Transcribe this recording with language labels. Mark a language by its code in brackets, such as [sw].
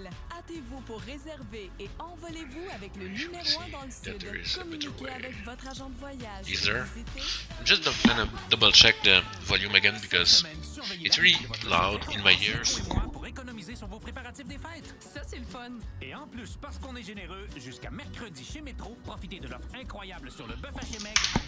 [fr] Hâtez-vous pour réserver et envolez-vous avec le numéro 1 dans le sud. Communiquez avec votre agent de voyage. [en] Is there? I'm just gonna double check the volume again because it's really loud in my ears. [fr] Économiser sur vos préparatifs des fêtes. Ça, c'est le fun. Et en plus, parce qu'on est généreux, jusqu'à mercredi chez Metro, profitez de l'offre incroyable sur le bœuf haché mec.